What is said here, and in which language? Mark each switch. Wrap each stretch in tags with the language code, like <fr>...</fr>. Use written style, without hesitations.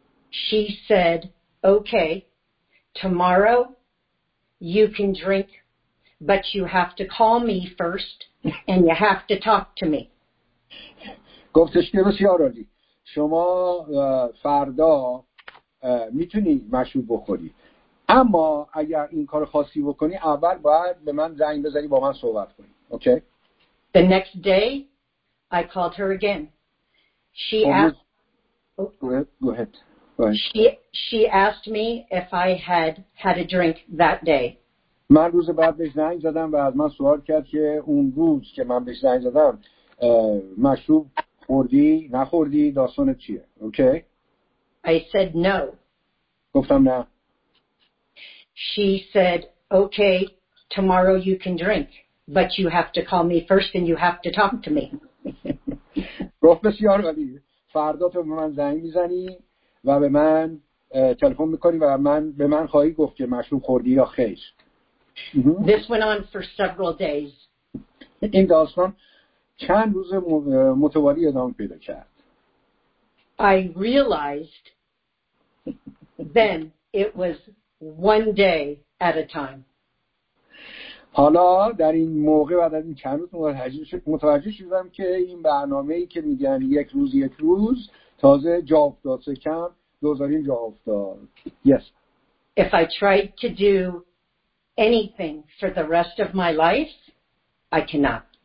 <en>She said, "Okay, tomorrow you can drink, but you have to call me first and you have to talk to me."</en> <fa>گفتش که بسیار عالی. شما فردا میتونی مشروب بخوری. اما اگر این کار خاصی بکنی اول باید به من زنگ بزنی با من صحبت کنی.</fa> <en>Okay? The next day I called her again. She asked She asked me if I had a drink that day.</en> <fa>من روز بعد بهش زنگ زدم و از من سوال کرد که اون روز که من بهش زنگ زدم مشروب خوردی نخوردی داستان چیه؟ Okay.</fa> <en>I said no.</en> <fa>گفتم نه.</fa> <en>She said, "Okay, tomorrow you can drink, but you have to call me first and you have to talk to me."</en> <fa>گفت بسیار عالی. فردا تو به من زنگ میزنی و به من تلفن میکنی و به من خواهی گفت که مشروب خوردی یا خیر.</fa> <en>This went on for several days.</en> <fa>این داستان چند روز متوالی ادامه پیدا کرد.</fa> <en>I realized then it was one day at a time.</en> <fa>حالا در این موقع بعد از این چند روز متوجه شدم که این برنامه‌ای که میگن یک روز تازه جا افتاد، کم دوزارین جا افتاد.</fa> <en>Yes. If I tried to do anything for the rest of my life, I cannot.</en>